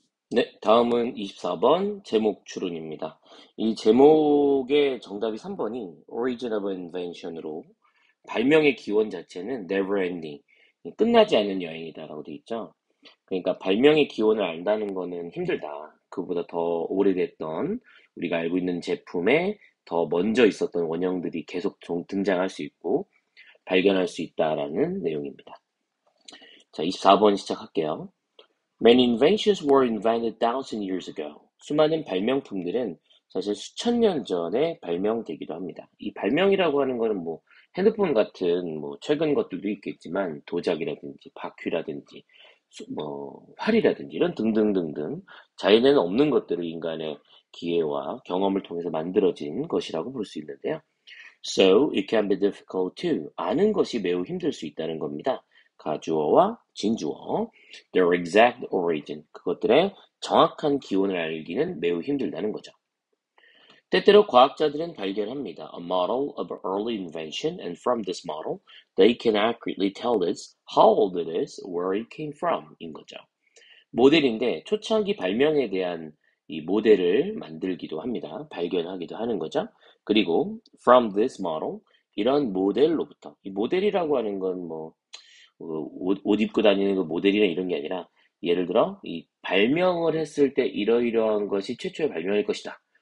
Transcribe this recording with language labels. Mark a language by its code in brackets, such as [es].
[ko] 네, 다음은 24번 제목 추론입니다. 이 제목의 정답이 3번이 [en] Origin of Invention [ko] 으로 발명의 기원 자체는 [en] Never Ending, [ko] 끝나지 않는 여행이다라고 돼 있죠. 그러니까 발명의 기원을 안다는 거는 힘들다. 그보다 더 오래됐던 우리가 알고 있는 제품에 더 먼저 있었던 원형들이 계속 등장할 수 있고 발견할 수 있다라는 내용입니다. 자, 24번 시작할게요. [en] Many inventions were invented thousand years ago. [ko] 수많은 발명품들은 사실 수천 년 전에 발명되기도 합니다. 이 발명이라고 하는 거는 뭐 핸드폰 같은 뭐 최근 것들도 있겠지만 도자기라든지 바퀴라든지 뭐 활이라든지 이런 등등등등 자연에는 없는 것들을 인간의 기회와 경험을 통해서 만들어진 것이라고 볼수 있는데요. [en] So it can be difficult too. [ko] 아는 것이 매우 힘들 수 있다는 겁니다. 가주어와 진주어, [en] their exact origin, [ko] 그것들의 정확한 기원을 알기는 매우 힘들다는 거죠. 때때로 과학자들은 발견합니다. [en] A model of early invention, and from this model, they can accurately tell us how old it is, where it came from, 인 거죠. [ko] 모델인데 초창기 발명에 대한 이 모델을 만들기도 합니다. 발견하기도 하는 거죠. 그리고 [en] from this model, [ko] 이런 모델로부터, 이 모델이라고 하는 건 뭐, 옷 입고 다니는 그 모델이나 이런 게 아니라, 예를 들어, 이 발명을 했을 때 이러이러한 것이 최초의 발명일 것이다.